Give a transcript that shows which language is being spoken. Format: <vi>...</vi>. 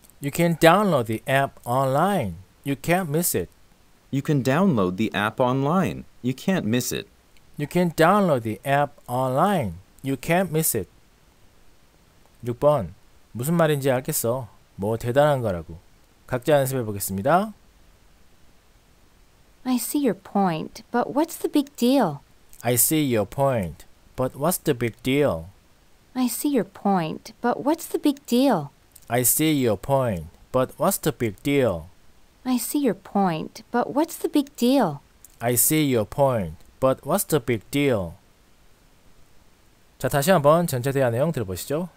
<en>You can download the app online. You can't miss it. You can download the app online. You can't miss it. You can download the app online. You can't miss it.</en> <ko>6번. 무슨 말인지 알겠어. 뭐 대단한 거라고. 각자 연습해 보겠습니다.</ko> <en>I see your point, but what's the big deal? I see your point, but what's the big deal? I see your point, but what's the big deal? I see your point, but what's the big deal? I see your point, but what's the big deal? I see your point, but what's the big deal?</en> <ko>자, 다시 한번 전체 대화 내용 들어보시죠.</ko>